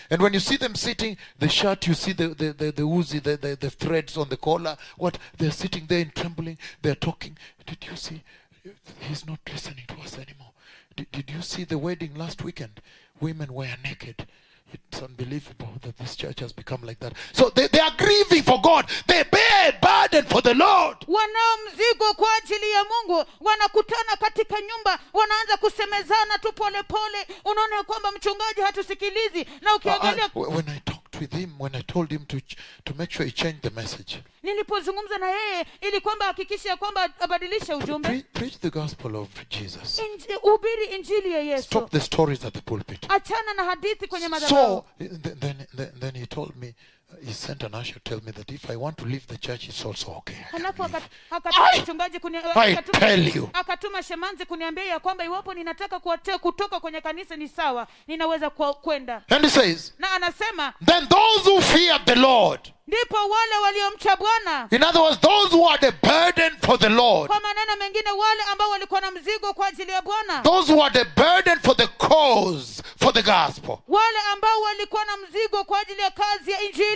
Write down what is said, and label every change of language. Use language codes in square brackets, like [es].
[en] And when you see them sitting, the shirt, you see the threads on the collar. What? They're sitting there in trembling. They're talking. Did you see? He's not listening to us anymore. Did you see the wedding last weekend? Women were naked. It's unbelievable that this church has become like that. So they are grieving for God. They bear a burden for the Lord. [sw] Wana mzigo kwa ajili ya Mungu. Wanakutana katika nyumba. Wanaanza kusemezana tu pole pole. Unaona kwamba mchungaji hatusikilizi. Na ukiangalia [en] when I talked with him, when I told him to make sure he changed the message. [sw] Nilipozungumza na yeye ili kwamba hakikishe kwamba abadilishe ujumbe. [en] Preach the gospel of Jesus. [sw] Ubiri injili ya Yesu. [en] Stop the stories at the pulpit. [sw] Achana na hadithi kwenye madhabahu. [en] So then he told me, he sent an usher to tell me that if I want to leave the church, it's also okay. I tell you. [sw] Akatuma shemanzi kuniambia ya kwamba iwapo ninataka kutoka kwenye kanisa ni sawa, ninaweza kwenda. [en] And he says, [sw] na anasema, [en] then those who fear the Lord, [sw] ndipo wale waliomcha Bwana. [en] In other words, those who had a burden for the Lord. [sw] Kwa maneno mengine wale ambao walikuwa na mzigo kwa ajili ya Bwana. [en] Those who had a burden for the cause, for the gospel. [sw] Wale ambao walikuwa na mzigo kwa ajili ya kazi ya injili.